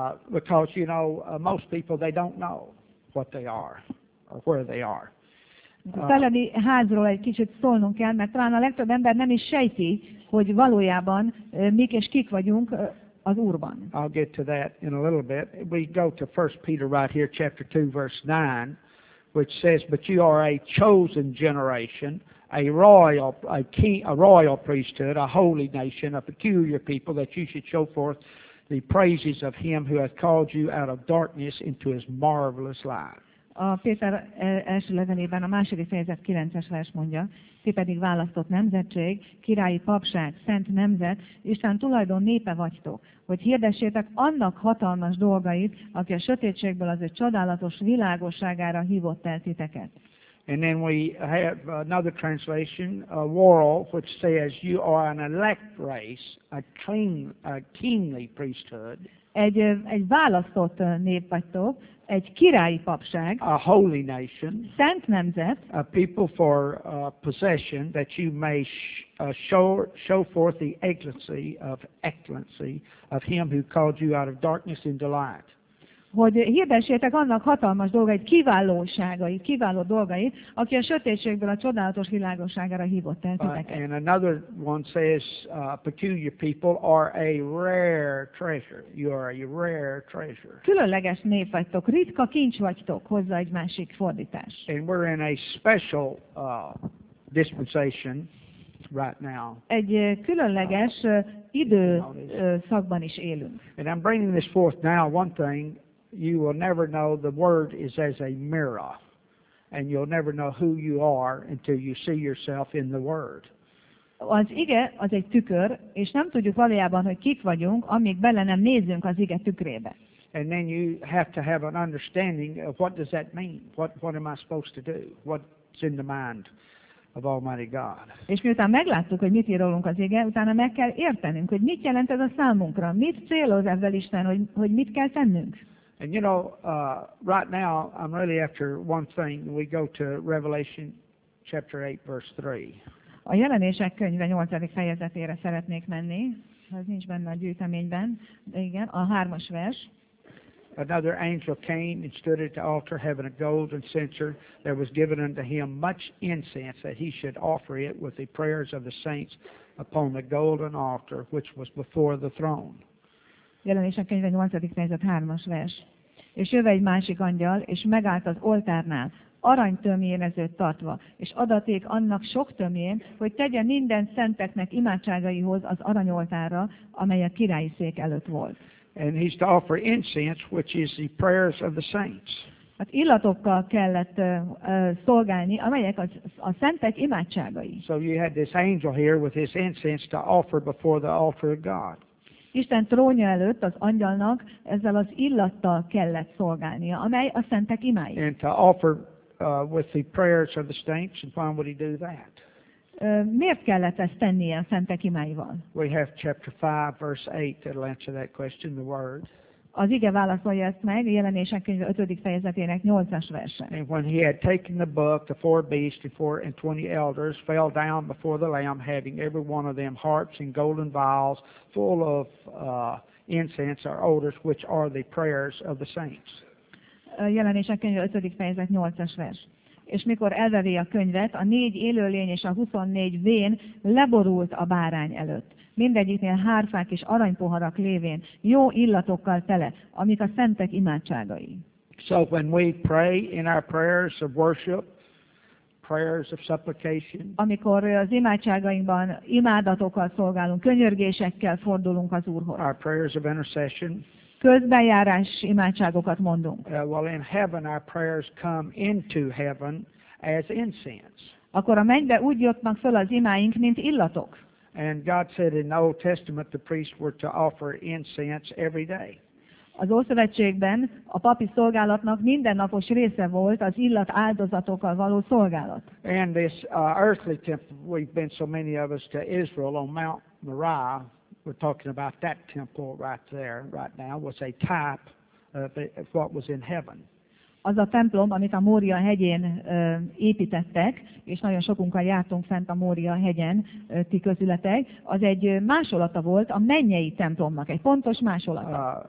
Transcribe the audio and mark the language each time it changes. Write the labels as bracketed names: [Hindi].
[English] Because you know most people they don't know what they are or where they are. [Hungarian] A szellemi házról egy kicsit szólnunk kell, mert talán a legtöbb ember nem is sejti, hogy valójában mik és kik vagyunk az Úrban. [English] I'll get to that in a little bit. We go to 1 Peter right here, chapter 2, verse 9, which says, but you are a chosen generation, a royal priesthood, a holy nation, a peculiar people, that you should show forth the praises of him who hath called you out of darkness into his marvelous light. [Hungarian] A Péter első levelében a második fejezet 9-es vers mondja, ti pedig választott nemzetség, királyi papság, szent nemzet, Isten tulajdon népe vagytok, hogy hirdessétek annak hatalmas dolgait, aki a sötétségből az ő csodálatos világosságára hívott el titeket. [English] And then we have another translation, a world, which says you are an elect race, a kingly priesthood. [Hungarian] Egy választott nép vagytok, egy királyi papság, [English] a holy nation, [Hungarian] szent nemzet, [English] a people for possession, that you may show forth the excellency of him who called you out of darkness into light. [Hungarian] Hogy hirdessétek annak hatalmas dolgait, kiválóságait, kiváló dolgait, aki a sötétségből a csodálatos világosságára hívott el titeket. [English] And another one says, peculiar people are a rare treasure. You are a rare treasure. [Hungarian] Különleges nép vagytok, ritka kincs vagytok, hozzá egy másik fordítás. [English] And we're in a special dispensation right now. [Hungarian] Egy különleges időszakban is élünk. [English] And I'm bringing this forth now, one thing, you will never know the word is as a mirror, and you'll never know who you are until you see yourself in the word. [Hungarian] Az ige az egy tükör, és nem tudjuk valójában, hogy kik vagyunk, amíg bele nem nézünk az ige tükrébe. [English] And then you have to have an understanding of what does that mean? What am I supposed to do? What's in the mind of Almighty God? [Hungarian] És miután megláttuk, hogy mit ír rólunk az ige, utána meg kell értenünk, hogy mit jelent ez a számunkra, mit céloz ezzel Isten, hogy mit kell tennünk. [English] And you know, right now I'm really after one thing. We go to Revelation chapter 8, verse 3. [Hungarian] A jelenések könyve 8. fejezetére szeretnék menni. Ez nincs benne a gyűjteményben. Igen, a 3. vers. [English] Another angel came and stood at the altar, having a golden censer. There was given unto him much incense, that he should offer it with the prayers of the saints upon the golden altar, which was before the throne. [Hungarian] Jelenések könyve 8. fejezet 3. vers. És jöve egy másik angyal, és megállt az oltárnál, aranytömjénezőt tartva, és adaték annak sok tömjén, hogy tegye minden szenteknek imádságaihoz az aranyoltárra, amely a királyi szék előtt volt. [English] And he's to offer incense, which is the prayers of the saints. [Hungarian] Hát illatokkal kellett szolgálni, amelyek a szentek imádságai. [English] So you had this angel here with his incense to offer before the altar of God. [Hungarian] Isten trónja előtt az angyalnak ezzel az illattal kellett szolgálnia, amely a szentek imái. [English] And to offer with the prayers of the saints, and why would he do that? [Hungarian] Miért kellett ezt tennie a szentek imáival? [English] We have chapter 5, verse 8, that'll answer that question, the word. [Hungarian] Az ige válaszolja ezt meg, a jelenések könyve 5. fejezetének 8. verse. [English] And when he had taken the book, the four beasts and 24 elders fell down before the Lamb, having every one of them harps and golden vials full of incense or odors, which are the prayers of the saints. [Hungarian] A jelenések könyve 5. fejezet 8. verse. És mikor elveri a könyvet, a 4 élőlény és a 24 vén leborult a bárány előtt. Mindegyiknél hárfák és aranypoharak lévén, jó illatokkal tele, amik a szentek imádságai. [English] So when we pray in our prayers of worship, prayers of supplication, [Hungarian] amikor az imádságainkban imádatokkal szolgálunk, könyörgésekkel fordulunk az Úrhoz, [English] our prayers of intercession, [Hungarian] közbenjárás imádságokat mondunk, [English] well in heaven our prayers come into heaven as incense, [Hungarian] akkor a mennybe úgy jutnak föl az imáink, mint illatok. [English] And God said in the Old Testament the priests were to offer incense every day. [Hungarian] Az Ószövetségben a papi szolgálatnak mindennapos része volt az illat áldozatokkal való szolgálat. [English] And this earthly temple, we've been so many of us to Israel on Mount Moriah, we're talking about that temple right there, right now, was a type of what was in heaven. [Hungarian] Az a templom, amit a Mória hegyén építettek, és nagyon sokunkkal jártunk fent a Mória hegyen, ti közületek, az egy másolata volt a mennyei templomnak, egy pontos másolata.